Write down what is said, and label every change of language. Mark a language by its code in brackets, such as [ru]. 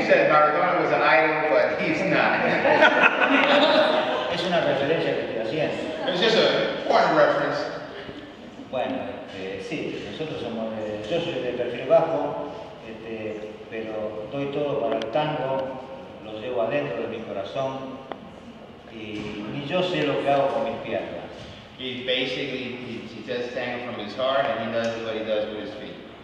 [en] He said Maradona was an idol, but he's not. [es] Es una referencia que te hacías. [en] It's just a point of reference. [es] Bueno, sí, nosotros somos yo soy de perfil bajo, pero doy todo para el tango, lo llevo adentro de mi corazón y ni yo sé lo que hago con mis piernas. [en] He basically he does tango from his heart and he does what he does with his feet.